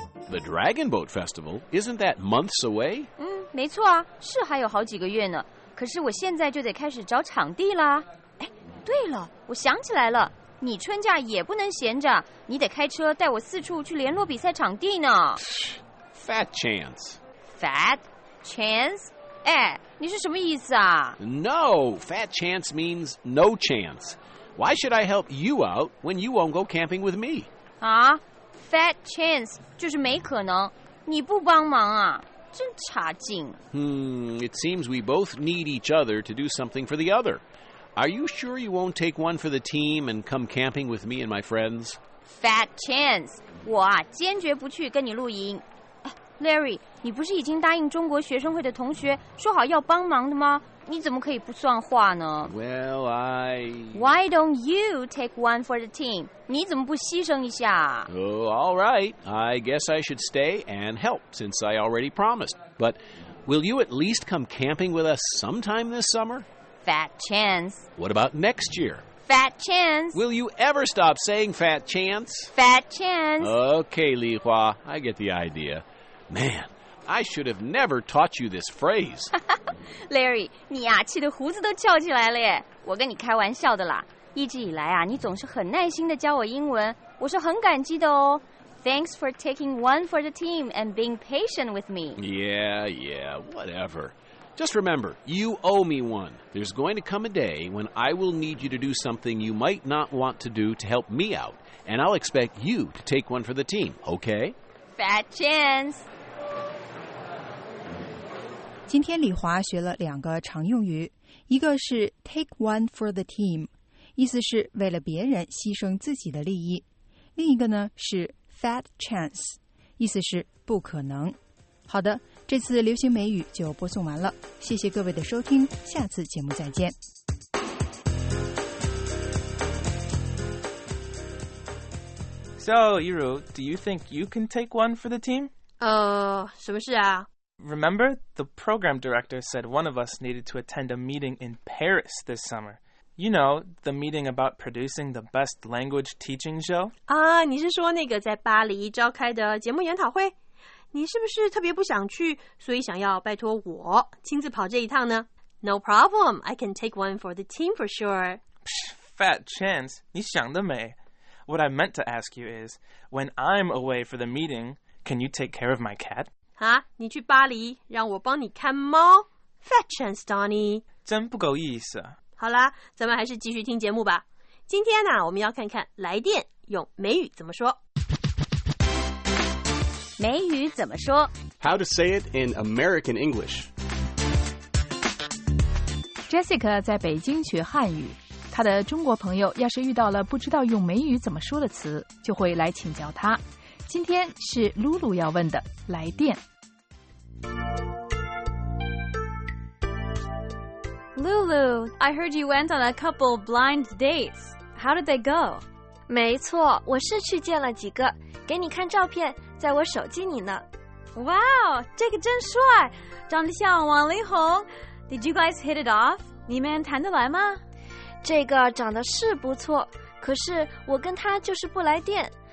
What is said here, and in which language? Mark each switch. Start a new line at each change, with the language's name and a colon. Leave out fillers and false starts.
English: The Dragon Boat Festival, isn't that months away?
Chinese: 没错啊，是还有好几个月呢。可是我现在就得开始找场地啦。对了，我想起来了，你春假也不能闲着，你得开车带我四处去联络比赛场地呢。
English: Fat chance. Fat chance?
Chinese: 你是什么意思啊？
English: No, fat chance means no chance. Why should I help you out when you won't go camping with me? Fat chance
Chinese: 就是没可能，你不帮忙啊，真差劲。
English: It seems we both need each other to do something for the other. Are you sure you won't take one for the team and come camping with me and my friends? Fat chance,
Chinese: 我啊，坚决不去跟你露营。 Larry, 你不是已经答应中国学生会的同学说好要帮忙的吗？你怎么可以不算话呢？
English: Well, I... Why don't you take one for the team?
Chinese: 你怎么不牺牲一下？
English: All right. I guess I should stay and help since I already promised. But will you at least come camping with us sometime this summer? Fat chance. What about next year? Fat chance. Will you ever stop saying fat chance? Fat chance. Okay, Li Hua. I get the idea. Man, I should have never taught you this phrase.
Chinese: Larry, 你呀、气得胡子都翘起来了耶。我跟你开玩笑的啦。一直以来啊，你总是很耐心地教我英文，我是很感激的哦。
English: Thanks for taking one for the team and being patient with me. Yeah, yeah, whatever. Just remember, you owe me one. There's going to come a day when I will need you to do something you might not want to do to help me out, and I'll expect you to take one for the team, okay? Fat chance.
Chinese: 今天李华学了两个常用语，一个是
English: take one for the team，
Chinese: 意思是为了别人牺牲自己的利益；另一个呢是
English: fat chance，
Chinese: 意思是不可能。好的，这次流行美语就播送完了，谢谢各位的收听，下次节目再见。
English: So, Yiru, do you think you can take one for the team?
Chinese: 什么事啊？
English: Remember, the program director said one of us needed to attend a meeting in Paris this summer. You know, the meeting about producing the best language teaching show?
Chinese: 你是说那个在巴黎召开的节目研讨会？你是不是特别不想去，所以想要拜托我亲自跑这一趟呢？
English: No problem, I can take one for the team for sure. Psh, fat chance,
Chinese: 你想得美。
English: What I meant to ask you is, when I'm away for the meeting, can you take care of my cat?
Chinese: 你去巴黎让我帮你看猫
English: Fat chance, Donnie
Chinese: 真不够意思好啦咱们还是继续听节目吧今天呢我们要看看来电用美语怎么说美语怎么说
English: How to say it in American English
Chinese: Jessica 在北京学汉语她的中国朋友要是遇到了不知道用美语怎么说的词就会来请教她今天是露露要问的来电
English: Lulu, I heard you went on a couple blind dates. How did they go?
Chinese: 没错，我是去见了几个，给你看照片，在我手机里呢。 Wow, 这个真帅，长得像王力宏。
English: Did you guys hit it off?
Chinese: 你们谈得来吗？这个长得是不错，可是我跟他就是不来电。